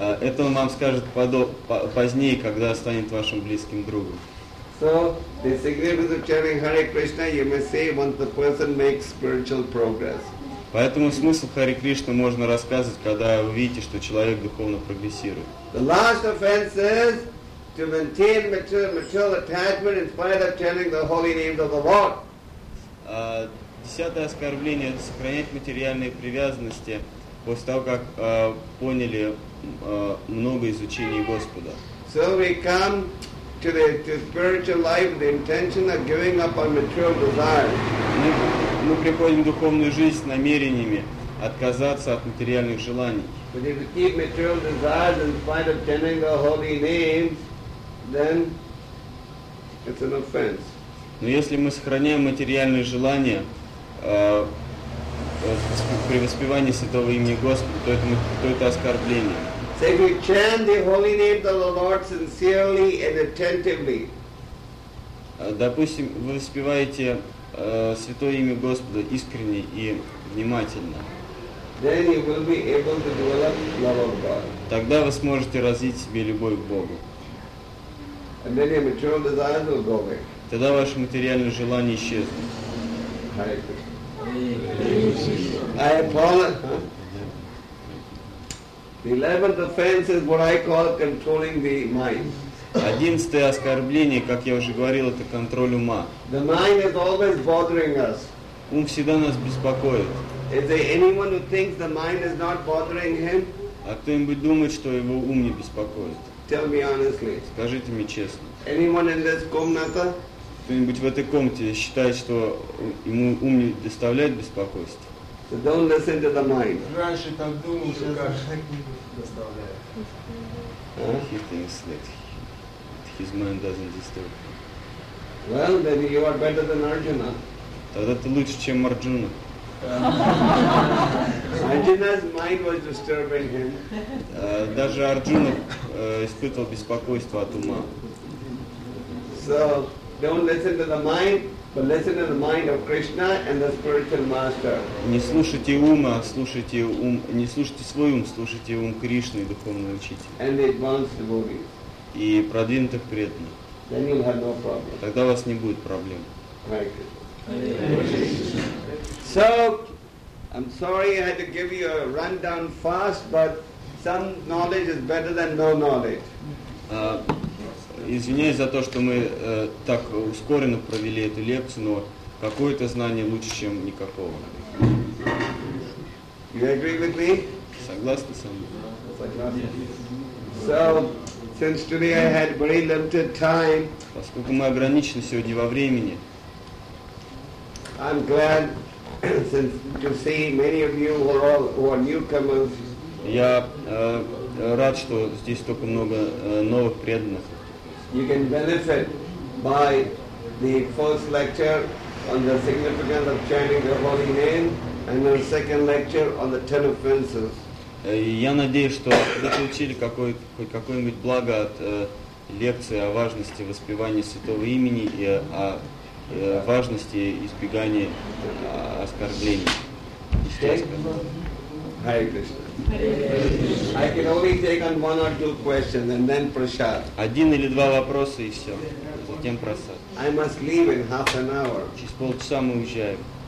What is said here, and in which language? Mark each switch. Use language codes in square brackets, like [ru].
[ru] Это он вам скажет позднее, когда станет вашим близким другом. [en] So, the significance of chanting Hare Krishna, you may say, once the person makes spiritual progress. [ru] Поэтому смысл Харе Кришны можно рассказывать, когда вы видите, что человек духовно прогрессирует. [en] The last offense is to maintain material attachment in spite of chanting the holy names of the Lord. [ru] Десятое оскорбление – это сохранять материальные привязанности после того, как поняли много изучений Господа. [en] So we come to spiritual life with the intention of giving up our material desires. [ru] Мы приходим в духовную жизнь с намерениями отказаться от материальных желаний. [en] But if we keep material desires in spite of chanting the holy names, then it's an offense. [ru] Но если мы сохраняем материальные желания при воспевании святого имени Господа, то это оскорбление. [en] So if you chant the holy name of the Lord sincerely and attentively. [ru] Допустим, вы воспеваете святое имя Господа искренне и внимательно. [en] Then you will be able to develop love of God. [ru] Тогда вы сможете развить себе любовь к Богу. [en] And then your material desires will go away. [ru] Тогда ваши материальные желания исчезнут. [en] I apologize. The 11th offense is what I call controlling the mind. [ru] 11-е оскорбление, как я уже говорил, это контроль ума. [en] The mind is always bothering us. [ru] Ум всегда нас беспокоит. [en] Is there anyone who thinks the mind is not bothering him? [ru] А кто-нибудь думает, что его ум не беспокоит? [en] Tell me honestly. [ru] Скажите мне честно. [en] Anyone in this [ru] комната? Кто-нибудь в этой комнате считает, что ему ум не доставляет беспокойства? [en] So don't listen to the mind. [ru] Раньше так думал, что доставляет. [en] He thinks that his mind doesn't disturb. Well, then you are better than Arjuna. [ru] Тогда ты лучше, чем Арджуна. [en] Arjuna's mind was disturbing him. [ru] Даже Арджуна испытывал беспокойство от ума. [en] So don't listen to the mind, but listen to the mind of Krishna and the spiritual master. [ru] Не слушайте ума, слушайте ум. Не слушайте свой ум, слушайте ум Кришны и духовного учителя. [en] And the advanced devotees. [ru] И продвинутых преданных. [en] Then you'll have no problem. [ru] Тогда у вас не будет проблем. [en] So, I'm sorry I had to give you a rundown fast, but some knowledge is better than no knowledge. [ru] Извиняюсь за то, что мы так ускоренно провели эту лекцию, но какое-то знание лучше, чем никакого. [en] You agree with me? [ru] Согласны со мной? [en] So, since today I had very limited time. [ru] Поскольку мы ограничены сегодня во времени. [en] I'm glad since to see many of you who are newcomers. [ru] Я рад, что здесь столько много новых преданных. [en] You can benefit by the first lecture on the significance of chanting the holy name and the second lecture on the ten offenses. [ru] Я надеюсь, что вы получили какое-нибудь благо от лекции о важности воспевания святого имени и о важности избегания оскорблений. [en] I can only take on one or two questions and then prasad. [ru] Один или два вопроса и все. Затем прасад. [en] I must leave in half an hour. [ru] Через полчаса мы уезжаем.